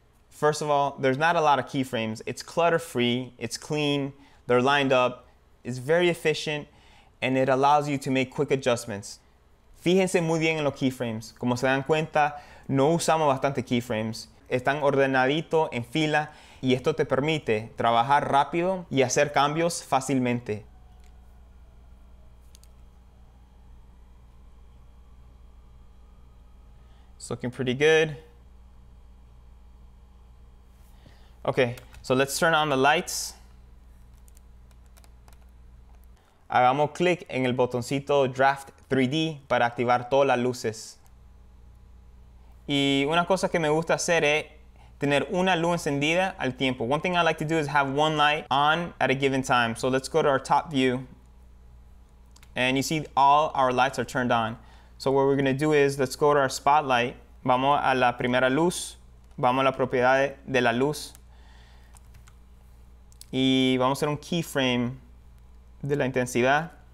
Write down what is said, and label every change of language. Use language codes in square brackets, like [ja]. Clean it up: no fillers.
[en] First of all, there's not a lot of keyframes. It's clutter-free, it's clean, they're lined up, it's very efficient, and it allows you to make quick adjustments. [es] Fíjense muy bien en los keyframes. Como se dan cuenta, no usamos bastante keyframes. Están ordenaditos en fila, y esto te permite trabajar rápido y hacer cambios fácilmente. [en] It's looking pretty good. Okay, so let's turn on the lights. [es] Hagamos click en el botoncito Draft 3D para activar todas las luces. Y una cosa que me gusta hacer es tener una luz encendida al tiempo. [en] One thing I like to do is have one light on at a given time. So let's go to our top view. And you see all our lights are turned on. So what we're gonna do is, let's go to our spotlight. [es] Vamos a la primera luz, vamos a la propiedad de la luz y vamos a hacer un keyframe de la intensidad.